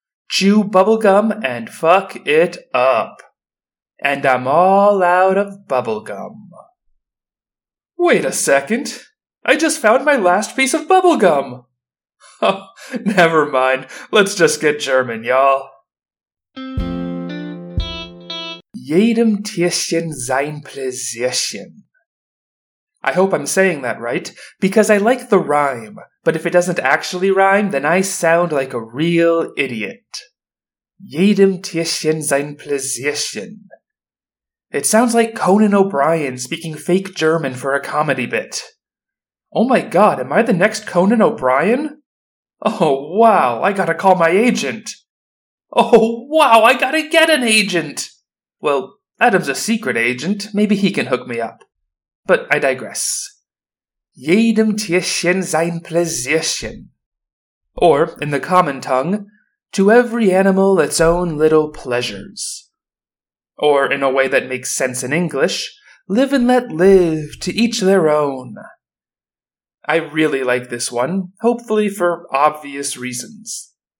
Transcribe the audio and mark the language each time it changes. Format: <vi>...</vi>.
<en>Chew bubblegum and fuck it up. And I'm all out of bubblegum. Wait a second, I just found my last piece of bubblegum! Never mind. Let's just get German, y'all.</en> <de>Jedem Tierchen sein Pläsierchen.</de> <en>I hope I'm saying that right, because I like the rhyme, but if it doesn't actually rhyme, then I sound like a real idiot.</en> <de>Jedem Tierchen sein Pläsierchen.</de> <en>It sounds like Conan O'Brien speaking fake German for a comedy bit. Oh my god, am I the next Conan O'Brien? Oh, wow, I gotta call my agent. Oh, wow, I gotta get an agent. Well, Adam's a secret agent. Maybe he can hook me up. But I digress.</en> <de>Jedem Tierchen sein Pläsierchen.</de> <en>Or, in the common tongue, to every animal its own little pleasures. Or, in a way that makes sense in English, live and let live, to each their own. I really like this one, hopefully for obvious reasons.</en>